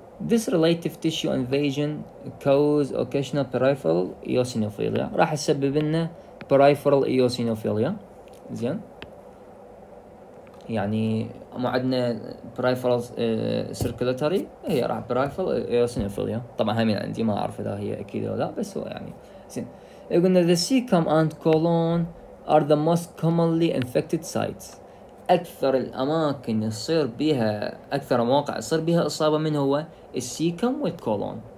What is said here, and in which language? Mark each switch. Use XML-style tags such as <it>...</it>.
<en>This relative tissue invasion cause occasional peripheral eosinophilia.</en> <ar>راح يسبب لنا</ar> <en>peripheral eosinophilia.</en> <ar>زين يعني ما عندنا</ar> <en>peripheral circulatory،</en> <ar>هي راح</ar> <en>peripheral eosinophilia.</en> <ar>طبعا هامين عندي ما اعرف اذا هي اكيد ولا لا، بس هو يعني زين. يقولنا</ar> <en>the cecum and colon are the most commonly infected sites.</en> <ar>اكثر الاماكن يصير بها، اكثر مواقع يصير بها اصابه من هو السيكم والكولون.</ar>